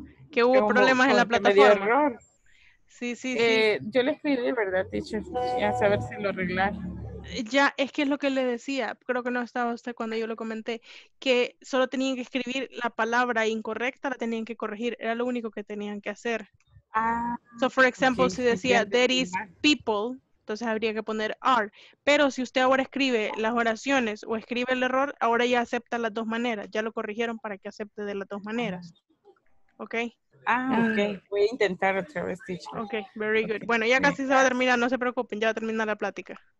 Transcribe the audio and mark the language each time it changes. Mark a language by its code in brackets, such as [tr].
[es] Que hubo problemas en la plataforma. Me dio error. Sí, sí, sí. Yo les pedí, ¿verdad, teacher? A saber si lo arreglar. Ya, es que es lo que le decía. Creo que no estaba usted cuando yo lo comenté. Que solo tenían que escribir la palabra incorrecta, la tenían que corregir. Era lo único que tenían que hacer. Ah. [en] So, for example, okay, [es] si decía, [en] there is people. [es] Entonces habría que poner are. Pero si usted ahora escribe las oraciones o escribe el error, ahora ya acepta las dos maneras. Ya lo corrigieron para que acepte de las dos maneras. ¿Ok? Ah, ok. Voy a intentar otra vez, teacher. [en] Ok, very good. Okay. [es] Bueno, ya casi se va a terminar. No se preocupen, ya va a terminar la plática.